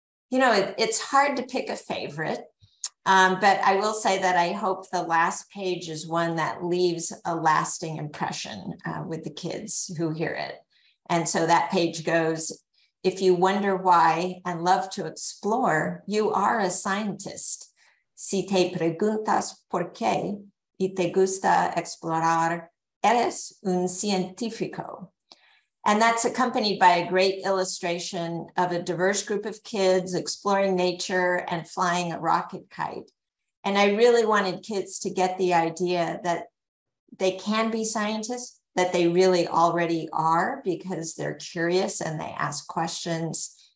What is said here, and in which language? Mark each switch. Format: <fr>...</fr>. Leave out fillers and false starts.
<en>You know, it's hard to pick a favorite, but I will say that I hope the last page is one that leaves a lasting impression with the kids who hear it. And so that page goes, "If you wonder why and love to explore, you are a scientist.</en> <es>Si te preguntas por qué y te gusta explorar, eres un científico." And that's accompanied by a great illustration of a diverse group of kids exploring nature and flying a rocket kite. And I really wanted kids to get the idea that they can be scientists, that they really already are, because they're curious and they ask questions.</es>